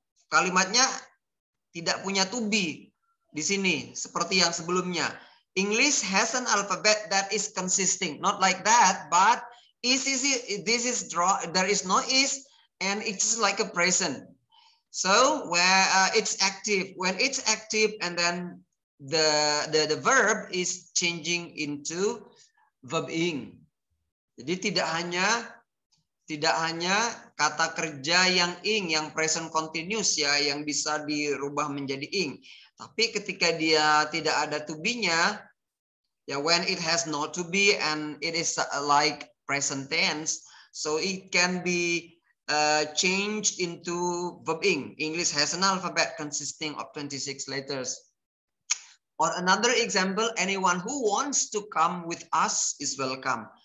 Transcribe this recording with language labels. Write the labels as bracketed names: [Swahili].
[Indonesian] Kalimatnya tidak punya to be di sini seperti yang sebelumnya. [English] English has an alphabet that is consisting, not like that, but is this is draw, there is no is, and it's like a present. So where it's active, when it's active, and then the verb is changing into verb ing. [Indonesian] Jadi tidak hanya kata kerja yang ing, yang present continuous ya, yang bisa dirubah menjadi ing. Tapi ketika dia tidak ada to be-nya, ya, [English] when it has not to be and it is like present tense, so it can be changed into verb ing. English has an alphabet consisting of 26 letters. Or another example, anyone who wants to come with us is welcome.